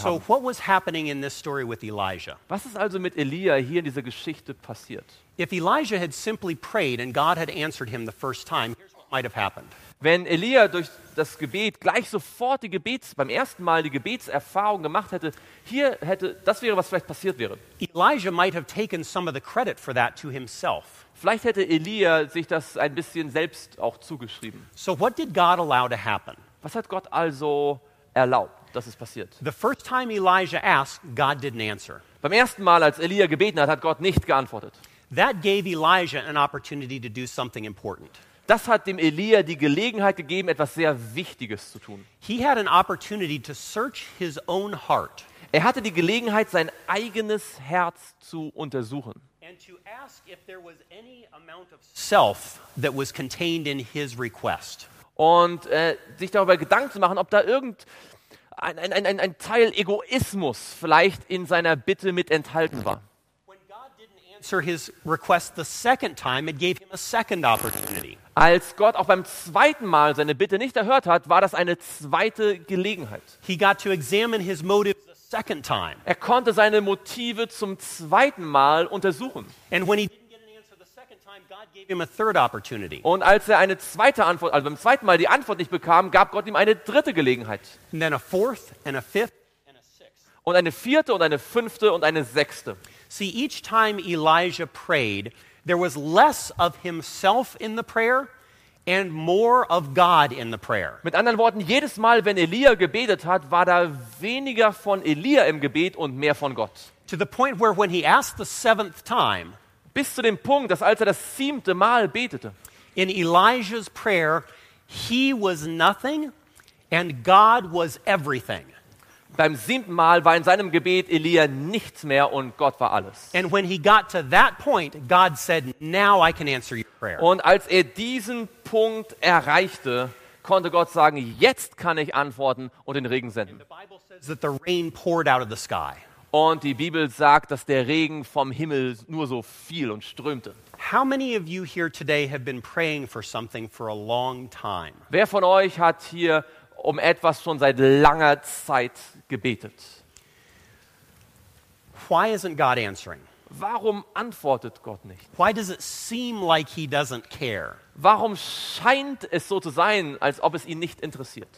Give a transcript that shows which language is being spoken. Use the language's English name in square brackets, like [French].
[German] haben. [English] So what was happening in this story with Elijah? [German] Was ist also mit Elia hier in dieser Geschichte passiert? [English] If Elijah had simply prayed and God had answered him the first time, here's what might have happened. [German] Wenn Elia durch das Gebet gleich sofort beim ersten Mal die Gebetserfahrung gemacht hätte, das wäre, was vielleicht passiert wäre. [English] Elijah might have taken some of the credit for that to himself. [German] Vielleicht hätte Elia sich das ein bisschen selbst auch zugeschrieben. [English] So what did God allow to happen? [German] Was hat Gott also erlaubt, dass es passiert? [English] The first time Elijah asked, God didn't answer. [German] Beim ersten Mal, als Elia gebeten hat, hat Gott nicht geantwortet. [English] That gave Elijah an opportunity to do something important. [German] Das hat dem Elia die Gelegenheit gegeben, etwas sehr Wichtiges zu tun. [English] He had an opportunity to search his own heart. [German] Er hatte die Gelegenheit, sein eigenes Herz zu untersuchen. [English] And to ask if there was any amount of self that was contained in his request. [German] Und sich darüber Gedanken zu machen, ob da ein Teil Egoismus vielleicht in seiner Bitte mit enthalten war. [English] When God didn't answer his request the second time, it gave him a second opportunity. [German] Als Gott auch beim zweiten Mal seine Bitte nicht erhört hat, war das eine zweite Gelegenheit. [English] He got to examine his motives a second time. [German] Er konnte seine Motive zum zweiten Mal untersuchen. [English] And when he didn't get an answer the second time, God gave him a third opportunity. [German] Und als er beim zweiten Mal die Antwort nicht bekam, gab Gott ihm eine dritte Gelegenheit. [English] And then a fourth and a fifth and a sixth. [German] Und eine vierte und eine fünfte und eine sechste. [English] See, each time Elijah prayed, there was less of himself in the prayer and more of God in the prayer. [German] Mit anderen Worten, jedes Mal, wenn Elia gebetet hat, war da weniger von Elia im Gebet und mehr von Gott. [English] To the point where when he asked the seventh time, [German] bis zu dem Punkt, dass als er das siebte Mal betete, [English] in Elijah's prayer, he was nothing and God was everything. [German] Beim siebten Mal war in seinem Gebet Elia nichts mehr und Gott war alles. [English] And when he got to that point, God said, "Now I can answer your prayer." [German] Und als er diesen Punkt erreichte, konnte Gott sagen, jetzt kann ich antworten und den Regen senden. [English] And the Bible says that the rain poured out of the sky. [German] Und die Bibel sagt, dass der Regen vom Himmel nur so fiel und strömte. [English] How many of you here today have been praying for something for a long time? [German] Wer von euch hat hier um etwas schon seit langer Zeit gebetet? [English] Why isn't God answering? [German] Warum antwortet Gott nicht? [English] Why does it seem like he doesn't care? [German] Warum scheint es so zu sein, als ob es ihn nicht interessiert?